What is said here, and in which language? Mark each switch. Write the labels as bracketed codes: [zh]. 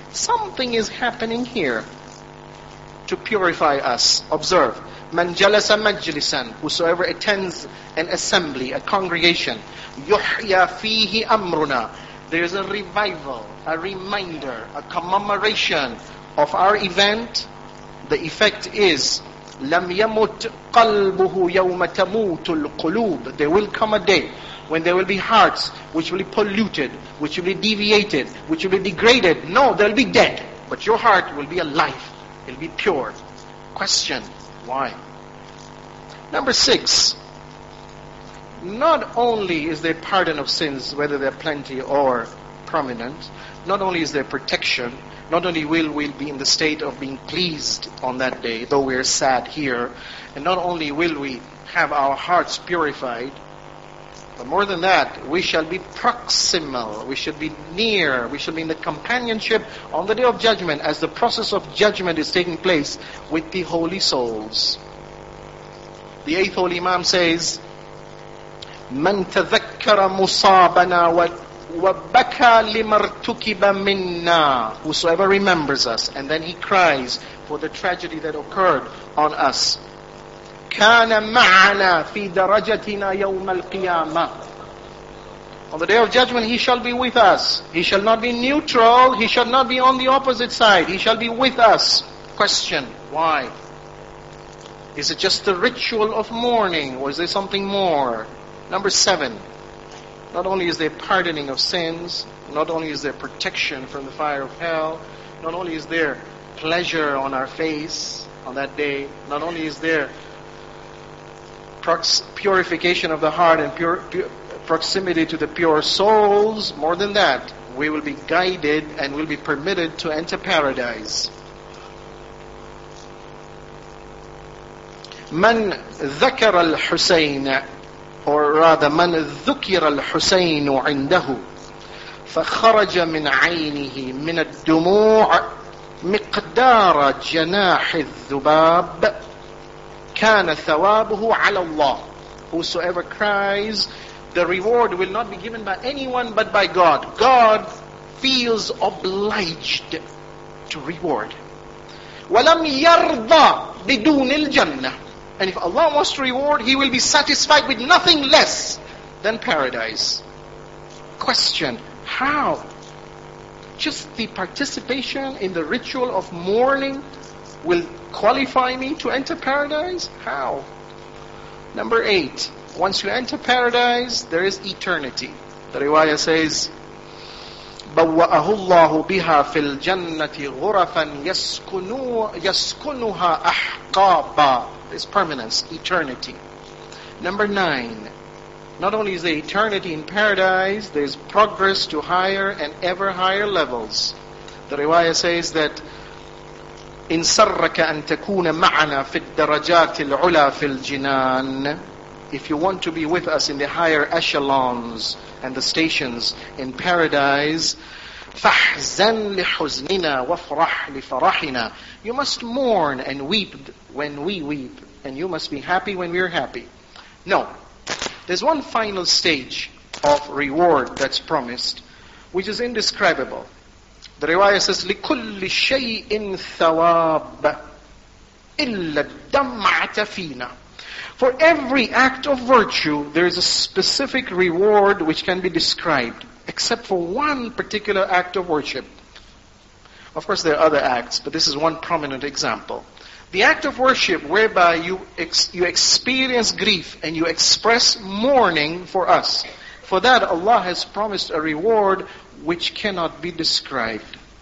[en] Something is happening here to purify us. Observe. [ar] من جلس مجلسا, [en] whosoever attends an assembly, a congregation, [ar] يحيى فيه أمرنا. There is a revival, a reminder, a commemoration of our event. [en] The effect is, [ar] لم يمت قلبه يوم تموت القلوب. [en] There will come a day when there will be hearts which will be polluted, which will be deviated, which will be degraded. No, they'll be dead. But your heart will be alive. It'll be pure. Question, why? Number six, not only is there pardon of sins, whether they're plenty or prominent, not only is there protection, not only will we be in the state of being pleased on that day, though we're sad here, and not only will we have our hearts purified, but more than that, we shall be proximal, we should be near, we shall be in the companionship on the day of judgment as the process of judgment is taking place with the holy souls. The eighth holy Imam says, [ar] من تذكر مصابنا وبكى لما ارتكب منا. [en] Whosoever remembers us, and then he cries for the tragedy that occurred on us. [ar] كان معنا في درجتنا يوم القيامة. [en] On the day of judgment, he shall be with us. He shall not be neutral. He shall not be on the opposite side. He shall be with us. Question, why? Is it just the ritual of mourning? Or is there something more? Number seven, not only is there pardoning of sins, not only is there protection from the fire of hell, not only is there pleasure on our face on that day, not only is there purification of the heart and proximity to the pure souls, more than that, we will be guided and will be permitted to enter paradise. [ar] من ذكر الحسين, [en] or rather, [ar] من ذكر الحسين عنده فخرج من عينه من الدموع مقدار جناح الذباب كان ثوابه على الله. [en] Whosoever cries, the reward will not be given by anyone but by God. God feels obliged to reward. [ar] ولم يرضى بدون الجنة. [en] And if Allah wants to reward, He will be satisfied with nothing less than paradise. Question, how? Just the participation in the ritual of mourning will qualify me to enter paradise? How? Number eight, once you enter paradise, there is eternity. The riwayah says, [ar] بَوَّأَهُ اللَّهُ بِهَا فِي الْجَنَّةِ غُرَفًا يَسْكُنُهَا أَحْقَابًا. [en] This permanence, eternity. Number nine, not only is there eternity in paradise, there is progress to higher and ever higher levels. The riwayah says that, [ar] إِنْ سَرَّكَ أَن تَكُونَ مَعَنَا فِي الدَّرَجَاتِ الْعُلَى فِي الْجِنَانِ. [en] If you want to be with us in the higher echelons and the stations in paradise, [ar] فَحْزَنْ لِحُزْنِنَا وَفْرَحْ لِفَرَحِنَا. [en] You must mourn and weep when we weep, and you must be happy when we are happy. No, there's one final stage of reward that's promised, which is indescribable. The riwayah says, [ar] لِكُلِّ شَيْءٍ ثَوَابٍ إِلَّا الدَّمْعَةَ فِينَا. [en] For every act of virtue, there is a specific reward which can be described, except for one particular act of worship. Of course, there are other acts, but this is one prominent example. The act of worship whereby you experience grief and you express mourning for us, for that Allah has promised a reward which cannot be described.